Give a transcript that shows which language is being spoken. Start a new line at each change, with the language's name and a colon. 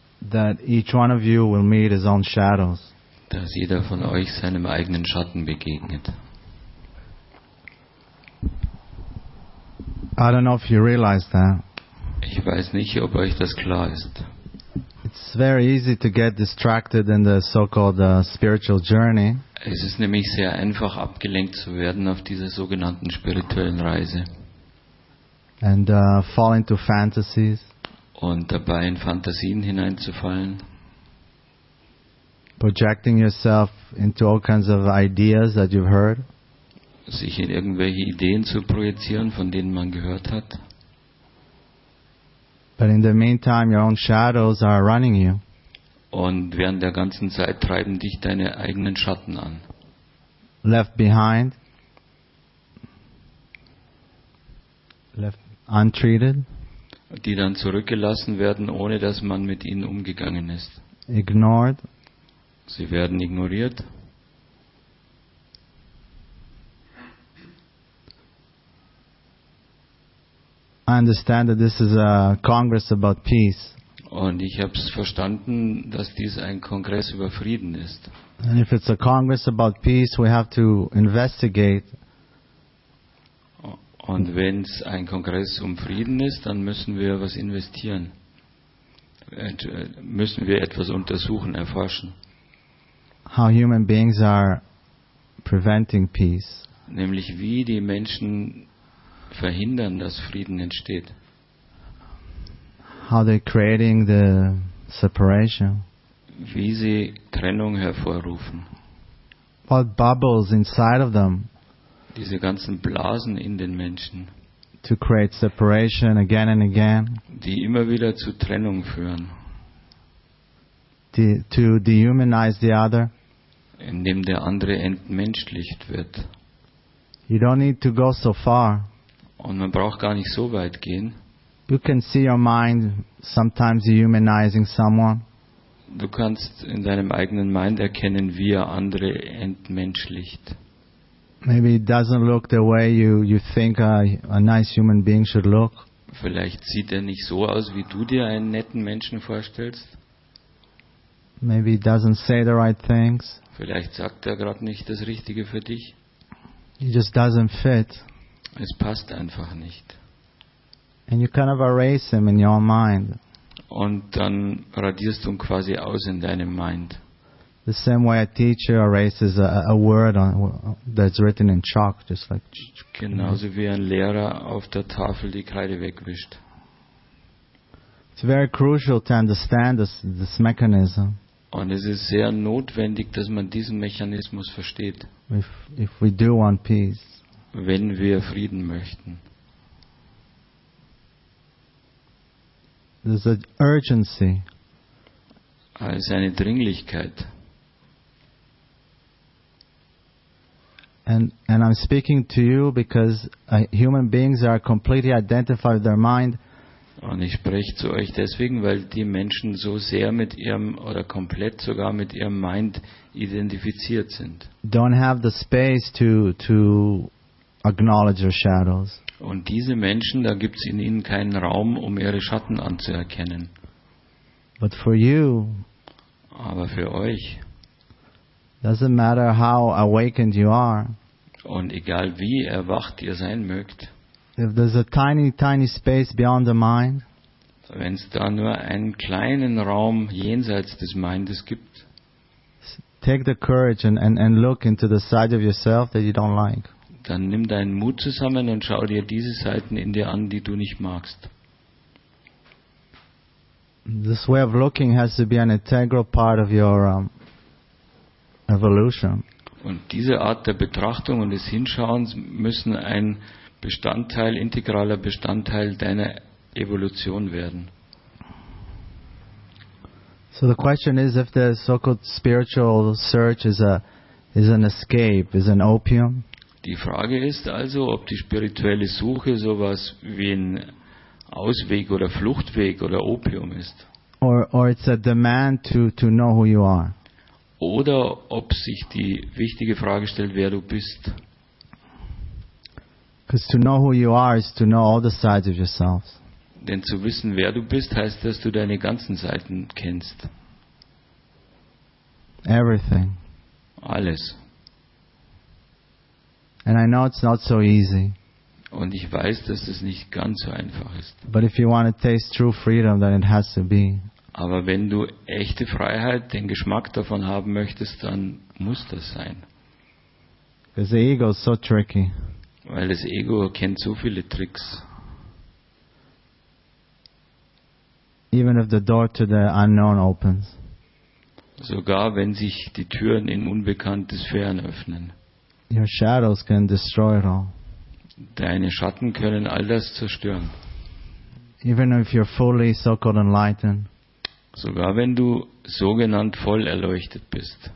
English: That each one of you will meet his own shadows.
German: Dass jeder von euch seinem eigenen Schatten begegnet.
English: I don't know if you realize that.
German: Ich weiß nicht, ob euch das klar ist.
English: It's very easy to get distracted in the so-called spiritual journey.
German: Es ist nämlich sehr einfach abgelenkt zu werden auf dieser sogenannten spirituellen Reise.
English: And fall into fantasies.
German: Und dabei in Fantasien hineinzufallen.
English: Projecting yourself into all kinds of ideas that you've heard.
German: Sich in irgendwelche Ideen zu projizieren, von denen man gehört hat.
English: But in the meantime, your own shadows are running you.
German: Und während der ganzen Zeit treiben dich deine eigenen Schatten an.
English: Left behind. Left untreated.
German: Die dann zurückgelassen werden, ohne dass man mit ihnen umgegangen ist.
English: Ignored.
German: Sie werden ignoriert.
English: I understand that this is a congress about peace.
German: Und ich habe es verstanden, dass dies ein Kongress über Frieden ist.
English: And if it's a congress about peace, we have to investigate.
German: Und wenn es ein Kongress um Frieden ist, dann müssen wir was investieren. Müssen wir etwas untersuchen, erforschen.
English: How human beings are preventing peace.
German: Nämlich wie die Menschen verhindern, dass Frieden entsteht.
English: How they creating the separation?
German: Wie sie Trennung hervorrufen.
English: What bubbles inside of them?
German: Diese ganzen Blasen in den Menschen.
English: To create separation again and again.
German: Die immer wieder zu Trennung führen.
English: To dehumanize the other.
German: Indem der andere entmenschlicht wird.
English: You don't need to go so far.
German: Und man braucht gar nicht so weit gehen.
English: You can see your mind sometimes humanizing someone.
German: Du kannst in deinem eigenen Mind erkennen, wie er andere entmenschlicht.
English: Maybe it doesn't look the way you think a nice human being should look.
German: Vielleicht sieht er nicht so aus, wie du dir einen netten Menschen vorstellst.
English: Maybe he doesn't say the right things.
German: Vielleicht sagt er gerade nicht das Richtige für dich.
English: He just doesn't fit.
German: Es passt einfach nicht.
English: And you kind of erase him in your mind.
German: Und dann radierst du ihn quasi aus in deinem Mind.
English: The same way a teacher erases a word on, that's written in chalk, just like.
German: Genauso wie ein Lehrer auf der Tafel die Kreide wegwischt.
English: It's very crucial to understand this mechanism.
German: Und es ist sehr notwendig, dass man diesen Mechanismus versteht.
English: If we do want peace.
German: Wenn wir Frieden möchten.
English: There's an urgency.
German: Es ist eine Dringlichkeit.
English: And I'm speaking to you because human beings are completely identified with their mind.
German: Und ich spreche zu euch deswegen, weil die Menschen so sehr mit ihrem oder komplett sogar mit ihrem Mind identifiziert sind.
English: Don't have the space to acknowledge their shadows.
German: Und diese Menschen, da gibt's in ihnen keinen Raum, um ihre Schatten anzuerkennen.
English: But for you.
German: Aber für euch.
English: Doesn't matter how awakened you are.
German: Und egal wie erwacht ihr sein mögt.
English: If there's a tiny, tiny space beyond the mind.
German: Wenn es da nur einen kleinen Raum jenseits des Mindes gibt.
English: Take the courage and look into the side of yourself that you don't like.
German: Dann nimm deinen Mut zusammen und schau dir diese Seiten in dir an, die du nicht magst.
English: This way of looking has to be an integral part of your evolution.
German: Und diese Art der Betrachtung und des Hinschauens müssen ein Bestandteil, integraler Bestandteil deiner Evolution werden.
English: So the question is if the so-called spiritual search is an escape, is an opium.
German: Die Frage ist also, ob die spirituelle Suche sowas wie ein Ausweg oder Fluchtweg oder Opium ist.
English: Or it's a demand to know who you are.
German: Oder ob sich die wichtige Frage stellt, wer du bist.
English: Because to know who you are is to know all the sides of yourself.
German: Denn zu wissen, wer du bist, heißt, dass du deine ganzen Seiten kennst.
English: Everything.
German: Alles.
English: And I know it's not so easy.
German: Und ich weiß, dass es nicht ganz so einfach ist.
English: But if you want to taste true freedom, then it has to be.
German: Aber wenn du echte Freiheit, den Geschmack davon haben möchtest, dann muss das sein.
English: Because the ego is so tricky.
German: Weil das Ego kennt so viele Tricks.
English: Even if the door to the unknown opens.
German: Sogar wenn sich die Türen in unbekanntes Fern öffnen.
English: Your shadows can destroy it all.
German: Deine Schatten können all das zerstören.
English: Even if you're fully so-called enlightened.
German: Sogar wenn du sogenannt voll erleuchtet bist.